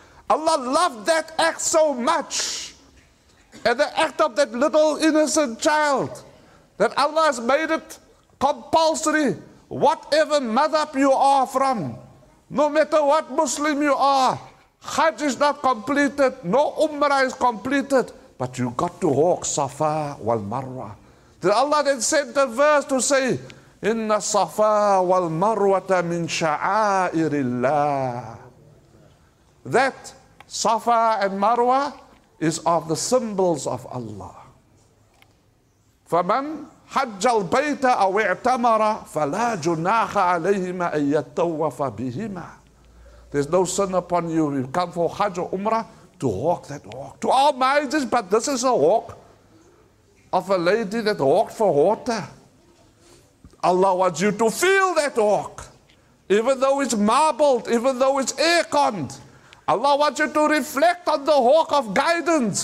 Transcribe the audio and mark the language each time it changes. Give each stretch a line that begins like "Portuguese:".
English: Allah loved that act so much. And the act of that little innocent child, that Allah has made it compulsory, whatever madhab you are from, no matter what Muslim you are, Hajj is not completed, no Umrah is completed, but you got to walk Safa wal Marwa. Then Allah then sent a verse to say,
Arabic: "Inna Safa wal Marwa ta min sha'airillah."
English: That Safa and Marwa is of the symbols of Allah.
Arabic: فمن حج البيت أو اعتمر فلا جناح عليهما أن يتوف بهما.
English: There's no sin upon you. You come for Hajj or Umrah to walk that walk. To all marriages, but this is a walk of a lady that walked for water. Allah wants you to feel that walk. Even though it's marbled, even though it's air-conned, Allah wants you to reflect on the walk of guidance.